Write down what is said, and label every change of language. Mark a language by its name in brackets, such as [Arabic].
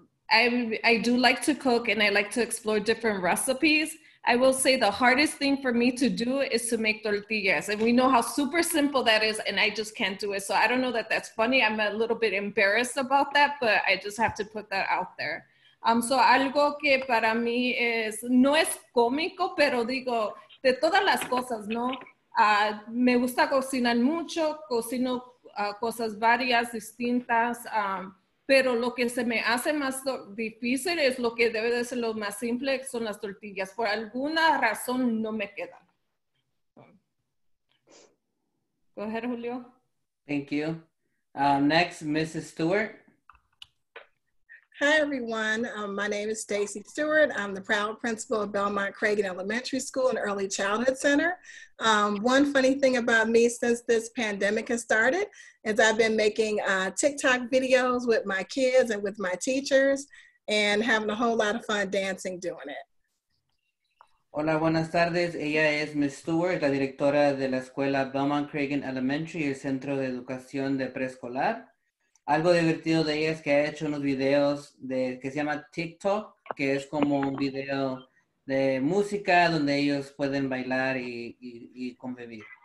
[English] I do like to cook and I like to explore different recipes. I will say the hardest thing for me to do is to make tortillas. And we know how super simple that is and I just can't do it. So I don't know that that's funny. I'm a little bit embarrassed about that, but I just have to put that out there. [Spanish] So algo que para mí es, no es cómico, pero digo, de todas las cosas, ¿no? Me gusta cocinar mucho, cocino cosas varias, distintas. Pero lo que se me hace más difícil es lo que debe de ser lo más simple, que son las tortillas. Por alguna razón no me queda. [English] Go ahead, Julio. Thank you. Next, Mrs. Stewart. Hi, everyone. My name is Stacy Stewart. I'm the proud principal of Belmont Cragen Elementary School and Early Childhood Center. One funny thing about me since this pandemic has started is I've been making TikTok videos with my kids and with my teachers and having a whole lot of fun dancing doing it. [Spanish] Hola, buenas tardes. Ella es Ms. Stewart, la directora de la escuela Belmont Cragen Elementary, el centro de educación de preescolar. Algo divertido de ella es que ha hecho unos videos de, que se llama TikTok, que es como un video de música donde ellos pueden bailar y convivir.